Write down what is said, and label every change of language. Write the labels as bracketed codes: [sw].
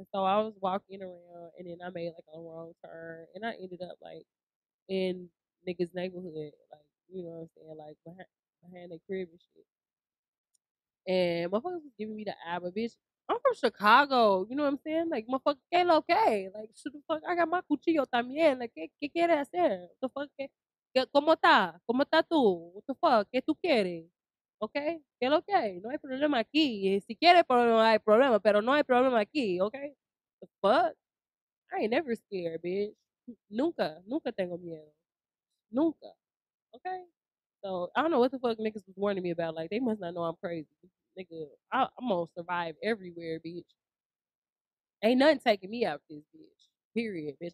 [en] And so I was walking around, and then I made like a wrong turn, and I ended up like in niggas' neighborhood, like you know what I'm saying, like behind their crib and shit. And motherfuckers was giving me the eye, but bitch, I'm from Chicago. You know what I'm saying? Like, motherfucker, [es] que lo que? [en] Like, shoot the fuck, I got my [es] cuchillo también. Like, que quiere hacer? [en] What the fuck? [es] Como está tú? [en] What the fuck? [es] Que tú quieres? Okay? Que lo que? No hay problema aquí. Si quiere problema, hay problema, pero no hay problema aquí. [en] Okay? The fuck? I ain't never scared, bitch. [es] Nunca. Nunca tengo miedo. Nunca. Okay? [en] So, I don't know what the fuck niggas was warning me about. Like, they must not know I'm crazy. Nigga, I'm gonna survive everywhere, bitch. Ain't nothing taking me out this bitch. Period, bitch.